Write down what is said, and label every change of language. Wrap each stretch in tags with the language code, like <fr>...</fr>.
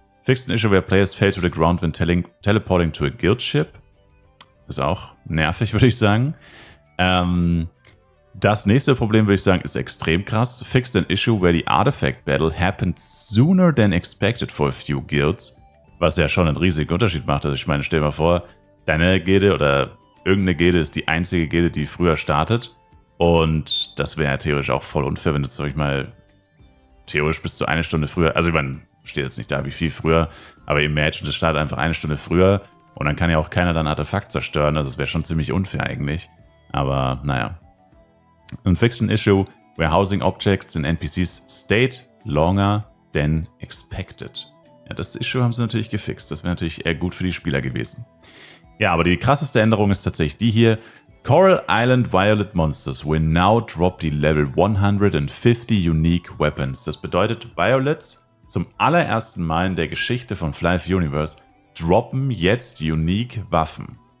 <en>Fixed an issue where players fell to the ground when teleporting to a guild ship.</en> <de>Ist auch nervig, würde ich sagen. Das nächste Problem, würde ich sagen, ist extrem krass.</de> <en>Fixed an issue where the artifact battle happened sooner than expected for a few guilds.</en> <de>Was ja schon einen riesigen Unterschied macht. Also ich meine, stell dir mal vor, deine Gilde oder irgendeine Gilde ist die einzige Gilde, die früher startet. Und das wäre ja theoretisch auch voll unfair, wenn du, sag ich mal, theoretisch bis zu eine Stunde früher, also ich meine, steht jetzt nicht da, wie viel früher, aber imagine, das startet einfach eine Stunde früher und dann kann ja auch keiner dein Artefakt zerstören, also es wäre schon ziemlich unfair eigentlich, aber naja.</de> <en>Ein Fiction Issue, where housing objects in NPCs stayed longer than expected.</en> <de>Ja, das Issue haben sie natürlich gefixt, das wäre natürlich eher gut für die Spieler gewesen. Ja, aber die krasseste Änderung ist tatsächlich die hier.</de> <en>Coral Island Violet Monsters will now drop the level 150 unique weapons.</en> <de>Das bedeutet, Violets zum allerersten Mal in der Geschichte von Flife Universe droppen jetzt unique Waffen.</de>